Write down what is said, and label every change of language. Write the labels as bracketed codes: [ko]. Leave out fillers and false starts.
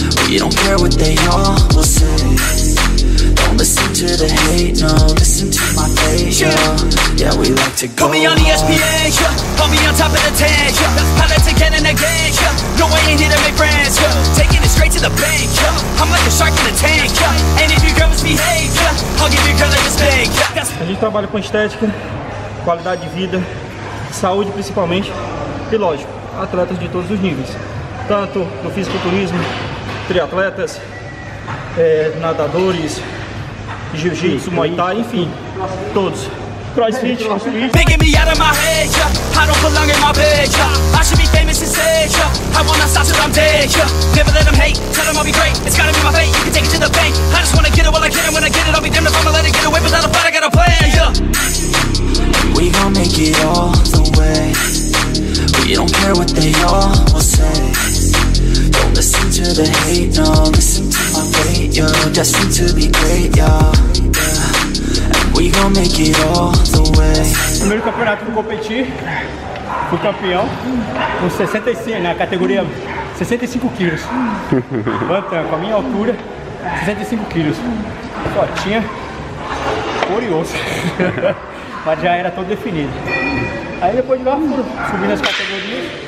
[en] We don't care what they all will say. Don't listen to the hate, no. Listen to my fate, yo. Yeah, we like to go. Put me on the ESPN, yeah. Put me on top of the tank, yeah. Pilots again and again, yeah. No, I ain't here to make friends, yeah. Taking it straight to the bank, yeah. I'm like a shark in the tank, yeah. And if your girl misbehave, yeah, I'll give your girl a mistake, yeah. [pt] A gente trabalha com estética, qualidade de vida, saúde principalmente, e lógico, atletas de todos os níveis. Tanto no fisiculturismo, triatletas, nadadores, jiu-jitsu, muay thai, enfim, todos. Crossfit. [en] Making me out of my head, yeah. I don't belong in my bed, yeah. I should be famous and sage, yeah. I wanna stop till I'm dead, yeah. Never let them hate, tell them I'll be great. It's gotta be my fate, you can take it to the bank. I just wanna get it while I can, and when I get it, I'll be damned if I'ma let it get away. But without a fight, I got a plan, yeah. We gon' make it all the way. We don't care what they all will say. Don't listen to the hate, no. Listen to my fate, yo. Just seem to be great, yo. We gon' make it all the way. [pt] Primeiro campeonato que eu competi, fui campeão com 65, na categoria 65 quilos. Bantam, com a minha altura, 65 quilos. Só tinha couro e osso. Mas já era todo definido. Aí depois de lá, subi nas categorias.